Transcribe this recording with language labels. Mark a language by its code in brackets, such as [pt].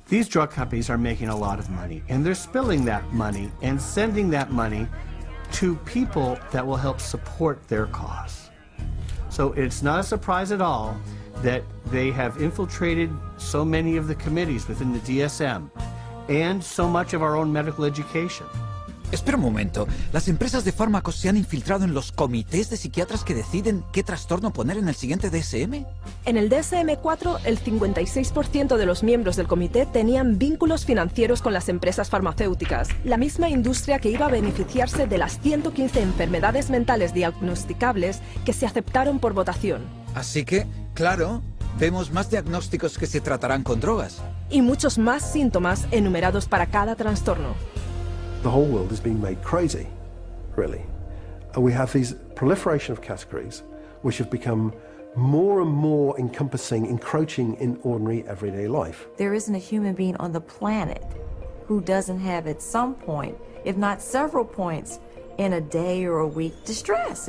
[en] These drug companies are making a lot of money, and they're spilling that money and sending that money to people that will help support their cause. So it's not a surprise at all that they have infiltrated so many of the committees within the DSM and so much of our own medical education. [es] Espera un momento. Las empresas de fármacos se han infiltrado en los comités de psiquiatras que deciden qué trastorno poner en el siguiente DSM. En el DSM-4, el 56% de los miembros del comité tenían vínculos financieros con las empresas farmacéuticas, la misma industria que iba a beneficiarse de las 115 enfermedades mentales diagnosticables que se aceptaron por votación. Así que, claro, vemos más diagnósticos que se tratarán con drogas. Y muchos más síntomas enumerados para cada trastorno. [en] The whole world is being made crazy, really. And we have these proliferation of categories which have become more and more encompassing, encroaching in ordinary everyday life. There isn't a human being on the planet who doesn't have at some point, if not several points, in a day or a week, distress.